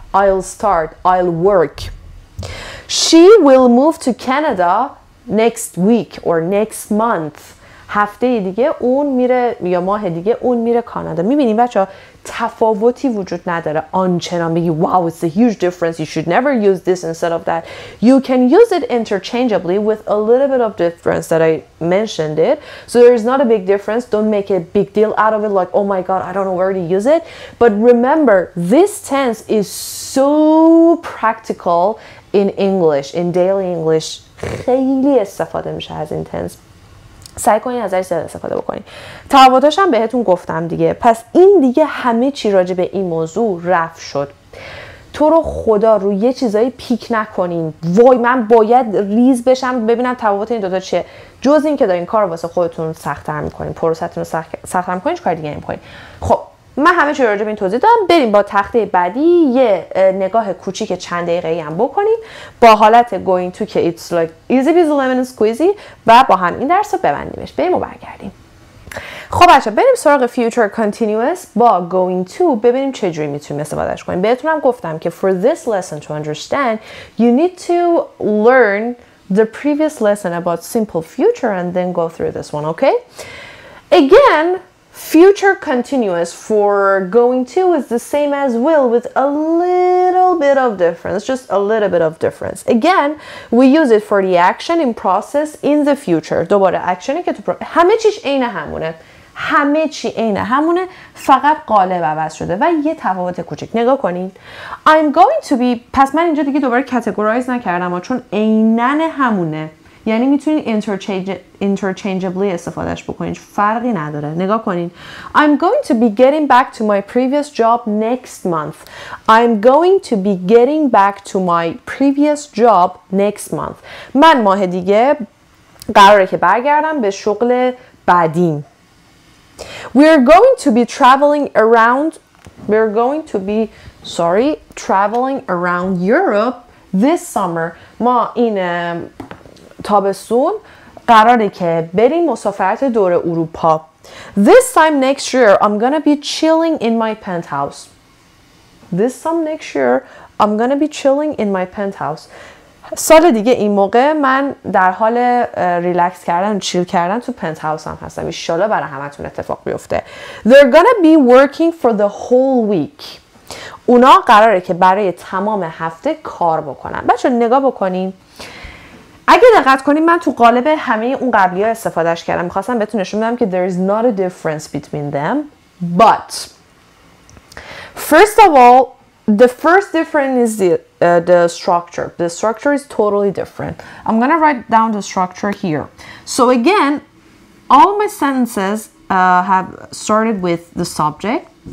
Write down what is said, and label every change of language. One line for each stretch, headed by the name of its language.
English: I'll start. I'll work. She will move to Canada next week or next month.
Persian: هفته دیگه اون میره، یا ماه دیگه اون میره کانادا. میبینیم بچه ها تفاوتی وجود نداره. آنچنان بگی
English: wow, it's a huge difference. You should never use this instead of that. You can use it interchangeably with a little bit of difference that I mentioned it. So there is not a big difference. Don't make a big deal out of it. Like, oh my god, I don't know where to use it. But remember, this tense is so practical in English, in daily English.
Persian: خیلی استفاده میشه از این tense. سعی کنین ازش زیاد استفاده بکنین. تفاوتاش هم بهتون گفتم دیگه. پس این دیگه همه چی راجع به این موضوع رفع شد. تو رو خدا روی یه چیزایی پیک نکنین. وای من باید ریز بشم ببینم تفاوت این دوتا چیه. جز این که دارین کار واسه خودتون سخت‌تر می‌کنین، پروسه‌تون رو سخت‌تر می‌کنین، کار دیگه نمی‌کنین. خب من همه چی راجع به این توضیح دادم. بریم با تخته بعدی یه نگاه کوچیک چند دقیقه‌ای هم بکنیم با حالت going to که
English: it's like easy peasy lemon squeezy،
Persian: و با هم این درس رو ببندیمش. بریم و برگردیم. خب بچه بریم سراغ future continuous با going to، ببینیم چه جوری میتونیم استفادهش کنیم. بهتونم گفتم که
English: for this lesson to understand you need to learn the previous lesson about simple future and then go through this one. Okay, again future continuous for going to is the same as will with a little bit of difference, just a little bit of difference. Again, we use it for the action in process in the future.
Persian: دوباره اکشنی که تو همه چیش اینه همونه. همه چی اینه همونه، فقط قالب عوض شده و یه تفاوت کوچک. نگاه کنین.
English: I'm going to be،
Persian: پس من اینجا دیگه دوباره کاتگورایز نکردم، چون اینن همونه. یعنی میتونین interchangeably استفادهش بکنین، فرقی نداره. نگاه کنین.
English: I'm going to be getting back to my previous job next month. I'm going to be getting back to my previous job next month.
Persian: من ماه دیگه قراره که برگردم به شغل بعدیم.
English: We're going to be traveling around. We're going to be sorry, traveling around Europe this summer.
Persian: ما این تابستون قراره که بریم مسافرت دور اروپا.
English: This time next year, I'm gonna be chilling in my penthouse. This time next year, I'm gonna be chilling in my penthouse.
Persian: سال دیگه این موقع من در حال ریلکس کردن و چیل کردن تو پنت هاوس هم هستم. ایشالا برای همه تون اتفاق بیفته.
English: They're gonna be working for the whole week.
Persian: اونا قراره که برای تمام هفته کار بکنن. بچه نگاه بکنین. اگه دقت کنین من تو قالب همه اون قبلی ها استفادهش کردم. میخواستم بهتون نشون بدم که
English: there is not a difference between them. But first of all, the first difference is the structure. The structure is totally different. I'm gonna write down the structure here. So again, all my sentences have started with the subject.